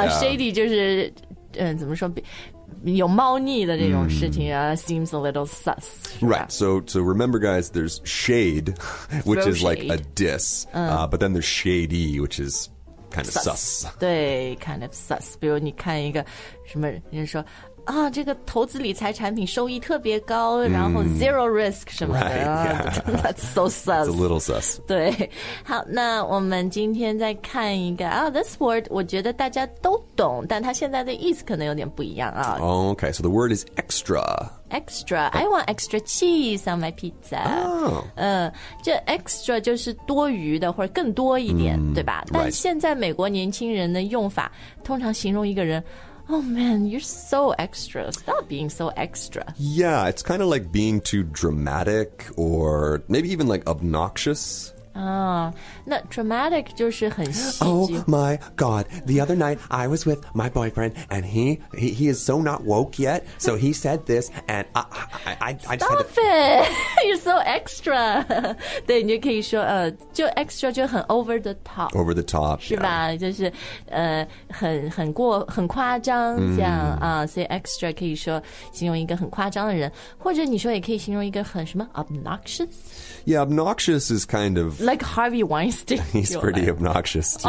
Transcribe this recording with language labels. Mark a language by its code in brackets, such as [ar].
[zh] Shady 就是怎么说有猫腻的这种事情啊、 [en] seems a little sus. Right, so remember guys, there's shade, which throw is like shade. A diss,、but then there's shady, which is kind of sus. 对 kind of sus. [zh] 比如你看一个什么人家说啊这个投资理财产品收益特别高、然后 [en] zero risk [zh] 什么的。 [en] Right, yeah. That's so sus. It's a little sus. [zh] 对。好那我们今天再看一个啊、 [en] this word [zh] 我觉得大家都懂但它现在的意思可能有点不一样啊。 [en] Okay, so the word is extra. Extra, I want extra cheese on my pizza. Oh. [zh] 这 extra 就是多余的或者更多一点、对吧、 [en] right. [zh] 但现在美国年轻人的用法通常形容一个人 [en] Oh man, you're so extra. Stop being so extra. Yeah, it's kind of like being too dramatic or maybe even like obnoxious. [zh] 那 dramatic 就是很戏剧。 [en] Oh my god, the other night I was with my boyfriend and he is so not woke yet, so he said this and I just Stop it! You're so extra! [zh] 对，你就可以说就 extra 就很 [en] over the top. Over the top, [zh] 是吧、 [en] yeah. [zh] 就是很夸张这样、mm. 所以 extra 可以说形容一个很夸张的人，或者你说也可以形容一个很什么 obnoxious? [en] Yeah, obnoxious is kind of... Like Harvey Weinstein. He's pretty obnoxious, too.